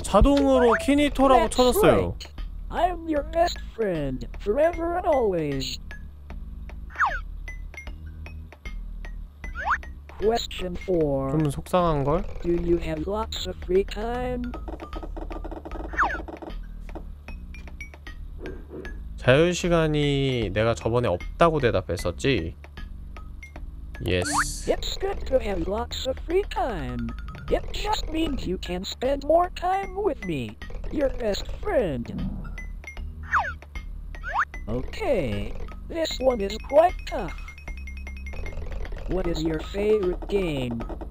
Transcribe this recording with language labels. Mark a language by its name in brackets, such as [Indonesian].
[Korean] 자동으로 키니토라고 쳐졌어요. [English] I am your best friend, forever and always. Question 4. [Korean] 좀 속상한 걸? [English] Do you have lots of free time? [Korean] 자유 시간이 내가 저번에 없다고 대답했었지. [English] Yes. It's good to have lots of free time. It just means you can spend more time with me, your best friend. Okay, this one is quite tough. What is your favorite game?